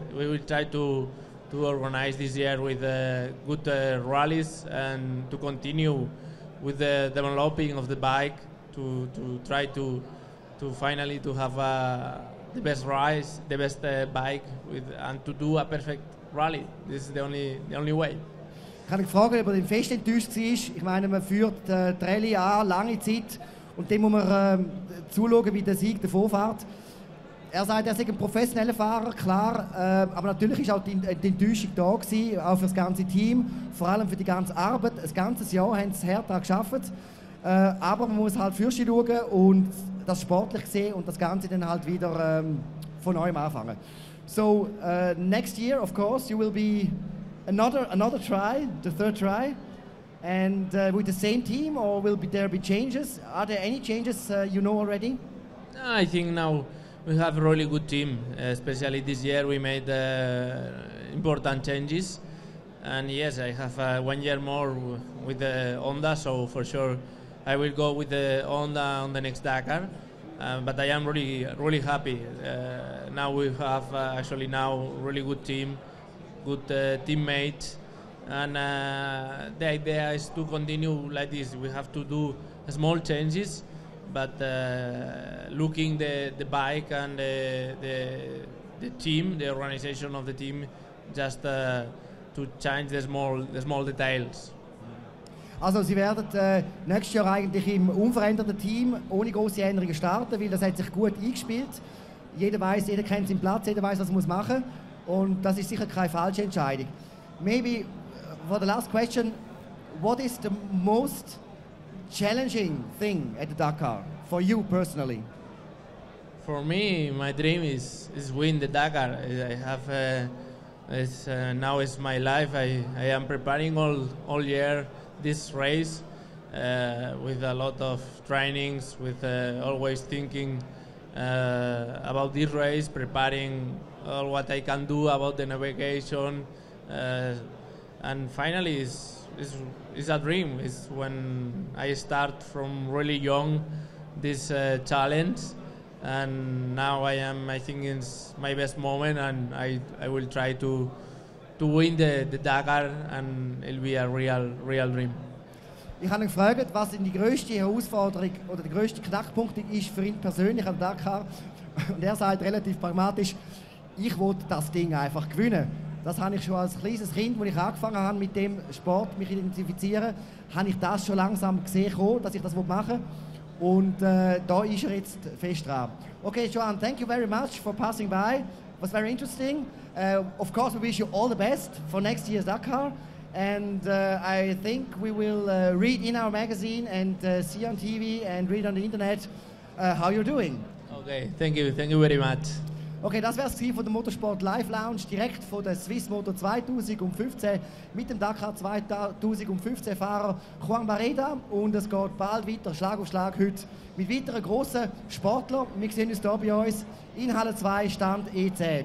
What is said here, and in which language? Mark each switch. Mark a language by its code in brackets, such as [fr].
[en] We will try to organize this year with good rallies and to continue with the developing of the bike to try to finally to have the best rise, the best bike with, and to do a perfect rally. This is the only way. [de] Kann ich fragen, ob er fest enttäuscht war? Ich meine, man führt die Rallye an, lange Zeit, und dann muss man zuschauen, wie der Sieg davonfährt. Er sagt, er sei ein professioneller Fahrer, klar, aber natürlich war auch die Enttäuschung da gewesen, auch für das ganze Team, vor allem für die ganze Arbeit. Ein ganzes Jahr haben sie hart daran gearbeitet, aber man muss halt fürs Schauen schauen und das sportlich sehen und das Ganze dann halt wieder von neuem anfangen. [en] So, next year, of course, you will be another try, the third try, and with the same team, or will there be changes? Are there any changes you know already? I think now we have a really good team, especially this year we made important changes. And yes, I have 1 year more with the Honda, so for sure I will go with the Honda on the next Dakar. But I am really, really happy. Now we have actually now really good team, good teammates. And the idea is to continue like this. We have to do small changes, but looking the bike and the team, the organization of the team, just to change the small details. [de] Also Sie werden nächstes Jahr eigentlich im unveränderten Team ohne große Änderungen starten, weil das hat sich gut eingespielt. Jeder weiß, jeder kennt seinen Platz, jeder weiß, was er machen muss. Und das ist sicher keine falsche Entscheidung. [en] Maybe for the last question, what is the most challenging thing at the Dakar for you personally? For me, my dream is win the Dakar. I have now is my life. I am preparing all year this race with a lot of trainings, with always thinking about this race, preparing all what I can do about the navigation, and finally it's a dream. It's when I start from really young this challenge, and now I think it's my best moment, and I will try to win the Dakar, and it'll be a real dream. [de] Ich habe ihn gefragt, was die größte Herausforderung oder der größte Knackpunkt ist für ihn persönlich am Dakar, und er sagt relativ pragmatisch: Ich wollte das Ding einfach gewinnen. Das habe ich schon als kleines Kind, als ich angefangen habe, mit dem Sport mich identifizieren, habe ich das schon langsam gesehen, dass ich das machen will. Und da ist er jetzt fest dran. [en] Okay, Joan, thank you very much for passing by. It was very interesting. Of course, we wish you all the best for next year's Dakar. And I think we will read in our magazine and see on TV and read on the Internet how you're doing. Okay, thank you very much. [de] Okay, das wär's von der Motorsport Live Lounge direkt von der Swiss-Moto 2015 mit dem Dakar 2015 Fahrer Juan Barreda. Und es geht bald weiter, Schlag auf Schlag heute, mit weiteren grossen Sportlern. Wir sehen uns hier bei uns in Halle 2, Stand E10.